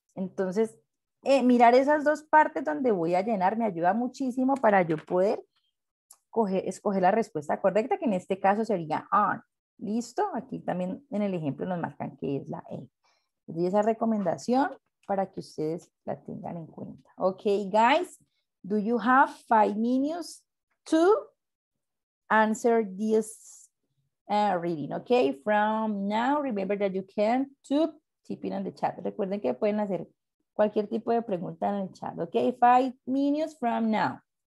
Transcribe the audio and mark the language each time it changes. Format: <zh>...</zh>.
<es>Entonces, mirar esas dos partes donde voy a llenar me ayuda muchísimo para yo poder escoger la respuesta correcta, que en este caso sería on. Listo, aquí también en el ejemplo nos marcan que es la E. Les doy esa recomendación para que ustedes la tengan en cuenta.</es> <en>Ok, guys, do you have 5 minutes to answer this reading? Ok, from now, remember that you can to tip in on the chat.</en> <es>Recuerden que pueden hacer cualquier tipo de pregunta en el chat.</es> <en>Ok, 5 minutes from now.</en>